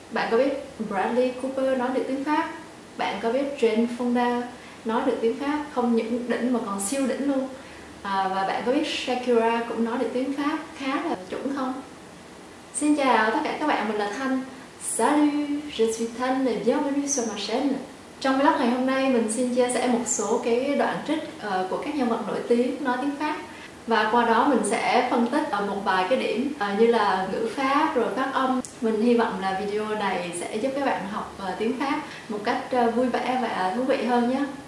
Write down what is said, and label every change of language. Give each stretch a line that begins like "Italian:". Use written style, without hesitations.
Vietnamese: Bạn có biết Bradley Cooper nói được tiếng Pháp? Bạn có biết Jane Fonda nói được tiếng Pháp? Không những đỉnh mà còn siêu đỉnh luôn. Và bạn có biết Shakira cũng nói được tiếng Pháp khá là chuẩn không? Xin chào tất cả các bạn, mình là Thanh.
French: Salut, je suis Thanh et bienvenue sur ma chaîne.
Vietnamese: Trong vlog ngày hôm nay, mình xin chia sẻ một số cái đoạn trích của các nhân vật nổi tiếng nói tiếng Pháp. Và qua đó mình sẽ phân tích một vài cái điểm như là ngữ pháp rồi phát âm. Mình hy vọng là video này sẽ giúp các bạn học tiếng Pháp một cách vui vẻ và thú vị hơn nhé.